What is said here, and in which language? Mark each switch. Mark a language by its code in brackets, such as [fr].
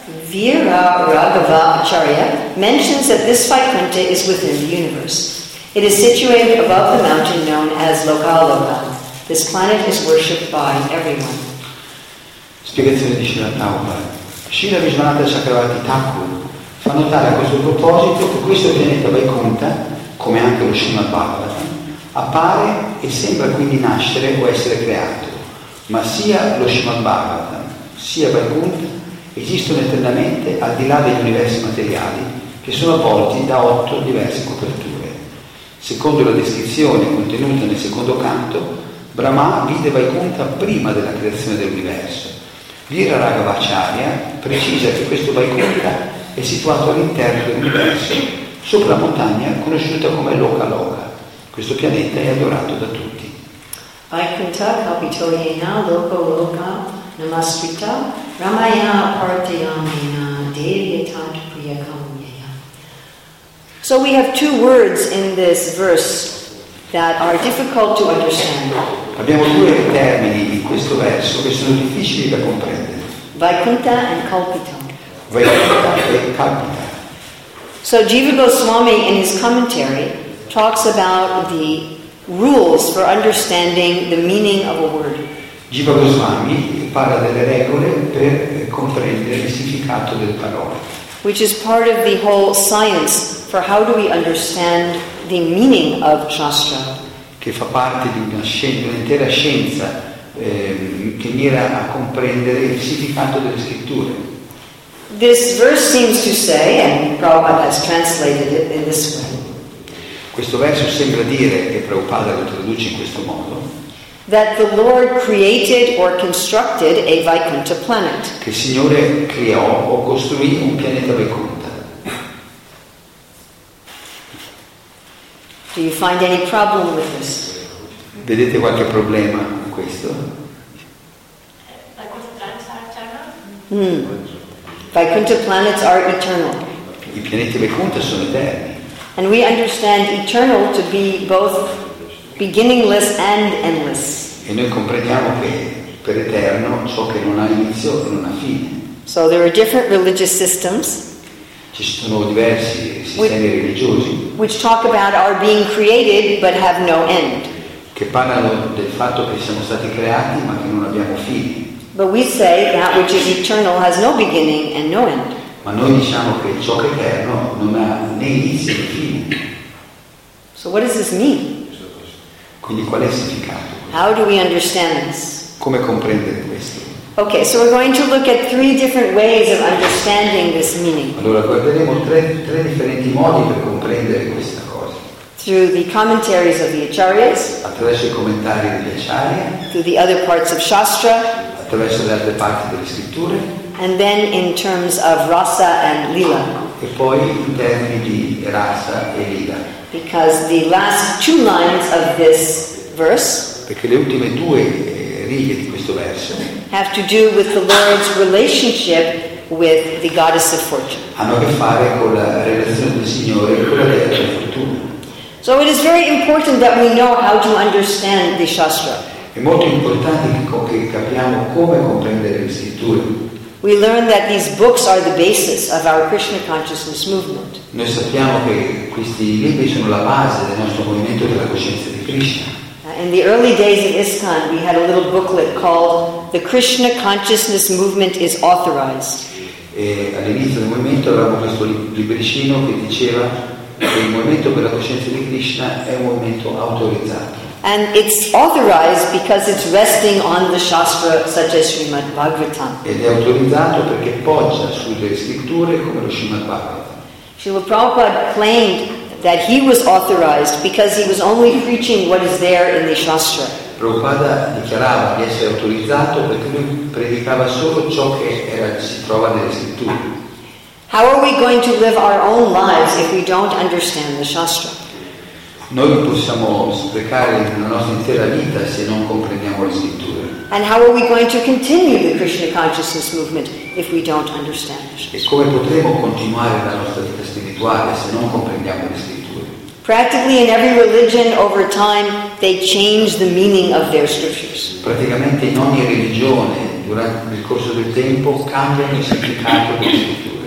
[en] Vira Raghava Acharya mentions that this Vaikuntha is within the universe. It is situated above the mountain known as Lokaloka. This planet is worshipped by everyone. [it] Spiegazione di Srila Prabhupada. Srila Vishwanatha Chakravarti Thakur fa notare a questo proposito che questo pianeta Vaikuntha, come anche lo Srimad Bhagavatam, appare e sembra quindi nascere o essere creato. Ma sia lo Srimad Bhagavatam, sia Vaikuntha esistono eternamente al di là degli universi materiali che sono avvolti da otto diverse coperture. Secondo la descrizione contenuta nel secondo canto, Brahma vide Vaikuntha prima della creazione dell'universo. Vira Raghavacharya precisa che questo Vaikuntha è situato all'interno dell'universo, sopra la montagna conosciuta come Loka Loka. Questo pianeta è adorato da tutti. [sa] Vaikuntha Kapitoyena Loka Loka Namaskrita Ramaya Parthayamena Devyatant Priyakamyaya. [en] So we have two words in this verse that are difficult to understand. [it] Abbiamo due termini in questo verso che sono difficili da comprendere. [en] Vaikuntha and Kalpita. [it] Vaikuntha e Kalpita. [en] So Jiva Goswami in his commentary talks about the rules for understanding the meaning of a word. [it] Jiva Goswami parla delle regole per comprendere il significato delle parole. [en] Which is part of the whole science for how do we understand the meaning of shastra. [it] Che fa parte di un'intera scienza che mira a comprendere il significato delle scritture. [en] This verse seems to say, and Prabhupada has translated it in this way. [it] Questo verso sembra dire, e Prabhupada lo traduce in questo modo, [en] that the Lord created or constructed a Vaikuntha planet. [it] Che il Signore creò o costruì un pianeta Vaikuntha. [en] Do you find any problem with this? [it] Vedete qualche problema con questo? [en] Vaikuntha planets are eternal. [it] I pianeti Vaikuntha sono eterni. [en] And we understand eternal to be both beginningless and endless. [it] E noi comprendiamo che per eterno ciò che non ha inizio e non ha fine. [en] So there are different religious systems. [it] Ci sono diversi sistemi religiosi. [en] Which talk about our being created but have no end. [it] Che parlano del fatto che siamo stati creati ma che non abbiamo fine. [en] But we say that which is eternal has no beginning and no end. [it] Ma noi diciamo che ciò che è eterno non ha né inizio né fine. [en] So what does this mean? [it] Quindi qual è il significato? [en] How do we understand this? [it] Come comprendere questo? [en] Okay, so we're going to look at three different ways of understanding this meaning. [it] Allora guarderemo tre differenti modi per comprendere questa cosa. [en] Through the commentaries of the Acharyas. [it] Attraverso i commentari degli Acharya. [en] Through the other parts of Shastra. [it] Attraverso le altre parti delle scritture. [en] And then in terms of rasa and lila. [it] E poi in termini di rasa e lila. [en] Because the last two lines of this verse. [it] Perché le ultime due righe di questo verso [en] have to do with the Lord's relationship with the goddess of fortune. [it] Hanno a che fare con la relazione del Signore con la dea della fortuna. [en] So it is very important that we know how to understand the shastra. [it] È molto importante che capiamo come comprendere le scritture. [en] We learn that these books are the basis of our Krishna consciousness movement. [it] Noi sappiamo che questi libri sono la base del nostro movimento della coscienza di Krishna. [en] In the early days of ISKCON, we had a little booklet called "The Krishna Consciousness Movement is Authorized." [it] E all'inizio del movimento avevamo questo libricino che diceva che il movimento per la coscienza di Krishna è un movimento autorizzato. [en] And it's authorized because it's resting on the shastra such as Srimad Bhagavatam. [it] Ed è autorizzato perché poggia sulle scritture come lo Srimad Bhagavatam. [en] Srila Prabhupada claimed that he was authorized because he was only preaching what is there in the shastra. [it] Prabhupada dichiarava di essere autorizzato perché lui predicava solo ciò che si trova nelle scritture. [en] How are we going to live our own lives if we don't understand the Shastra? [it] Noi possiamo sprecare la nostra intera vita se non comprendiamo le scritture. [en] And how are we going to continue the Krishna consciousness movement if we don't understand the Shastra? [it] E come potremo continuare la nostra vita spirituale se non comprendiamo le scritture? [en] Practically in every religion over time they change the meaning of their scriptures. [it] Praticamente in ogni religione durante il corso del tempo cambiano il significato delle scritture.